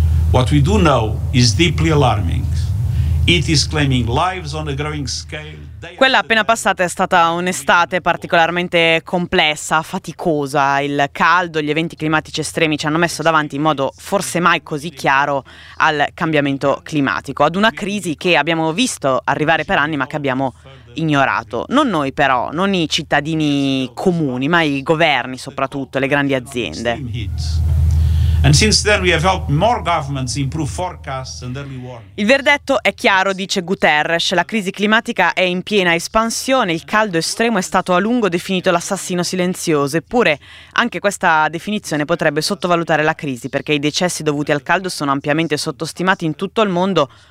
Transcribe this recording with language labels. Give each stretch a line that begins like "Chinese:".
English: What we do know is deeply alarming. It is claiming lives on a growing scale.
Italian: Quella appena passata è stata un'estate particolarmente complessa, faticosa. Il caldo, gli eventi climatici estremi ci hanno messo davanti in modo forse mai così chiaro al cambiamento climatico, ad una crisi che abbiamo visto arrivare per anni ma che abbiamo ignorato. Non noi però, non i cittadini comuni, ma i governi soprattutto, le grandi aziende.
English: And since then we have helped more governments improve forecasts and early warnings.
Italian: Il verdetto è chiaro, dice Guterres. La crisi climatica è in piena espansione, il caldo estremo è stato a lungo definito l'assassino silenzioso, eppure anche questa definizione potrebbe sottovalutare la crisi, perché i decessi dovuti al caldo sono ampiamente sottostimati in tutto il mondo.